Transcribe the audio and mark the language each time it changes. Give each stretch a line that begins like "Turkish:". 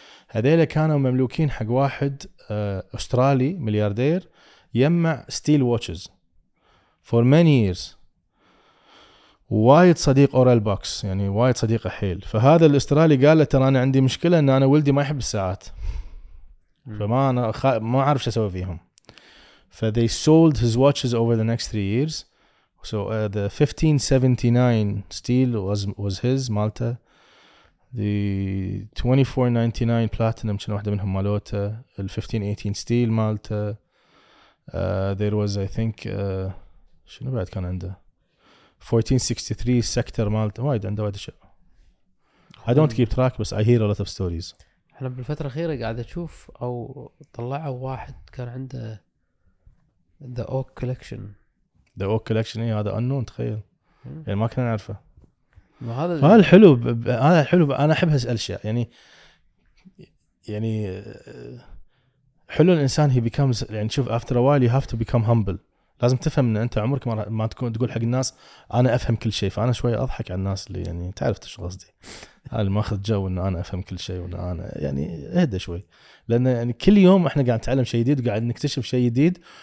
Arabic: هذيلا كانوا مملوكين حق واحد أسترالي ملياردير يجمع steel watches for many years. وايد صديق أورال بوكس يعني وايد صديق حيل. فهذا الأسترالي قال له ترى أنا عندي مشكلة إن أنا ولدي ما يحب الساعات فما أنا ما أعرف شو أسوي فيهم.
English: ف they sold his watches over the next three years. So the 1579 steel was his مالته.
Arabic: The 2499 platinum شنو واحدة منهم مالته.
English: The 1518 steel مالته. There was I think شنو بعد كان عنده.
Arabic: 1463 سكتر مالت وايد عنده وايد شيء.
English: I don't keep track بس I hear a lot of stories.
Arabic: احنا بالفترة الأخيرة قاعد أشوف أو طلعوا واحد كان عنده The Oak Collection.
English: The Oak Collection إيه هذا unknown تخيل.
Arabic: يعني ما كنا نعرفه. هذا الحلو هذا الحلو أنا أحب هالأشياء يعني يعني حلو الإنسان he becomes يعني شوف after a while you have to become humble. لازم تفهم ان انت عمرك ما تكون تقول حق الناس انا افهم كل شيء. فانا شوي اضحك على الناس اللي يعني تعرف ايش قصدي هذا ماخذ جو ان انا افهم كل شيء وان انا يعني اهدى شوي لان يعني كل يوم احنا قاعد نتعلم شيء جديد وقاعد نكتشف شيء جديد.